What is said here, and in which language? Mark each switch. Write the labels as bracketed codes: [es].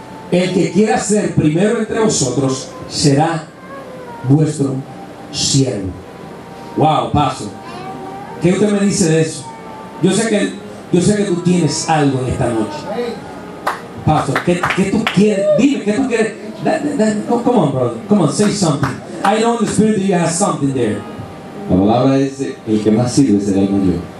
[es] El que quiera ser primero entre vosotros será vuestro siervo. Wow, pastor, ¿qué usted me dice de eso? Yo sé que tú tienes algo en esta noche, pastor. ¿Qué tú quieres? Dime, ¿qué tú quieres? [en] Come on, brother, come on, say something. I know in the spirit that you have something there. [es] La palabra es: el que más sirve será el mayor.